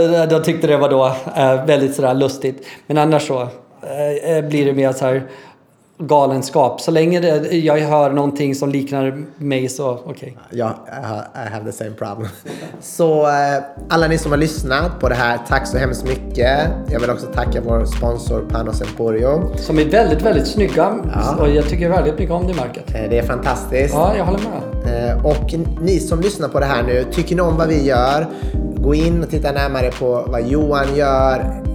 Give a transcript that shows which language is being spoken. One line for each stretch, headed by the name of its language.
Swedish: Då tyckte det var då väldigt sådär lustigt, men annars så blir det mer så här galenskap. Så länge jag hör någonting som liknar mig, så okej.
English: Ja, I have the same problem.
Swedish: Så alla ni som har lyssnat på det här, tack så hemskt mycket. Jag vill också tacka vår sponsor Panos Emporio. Som är väldigt, väldigt snygga. Ja. Och jag tycker väldigt mycket om det märket. Det är fantastiskt. Ja, jag håller med. Och ni som lyssnar på det här nu, tycker ni om vad vi gör, gå in och titta närmare på vad Johan gör.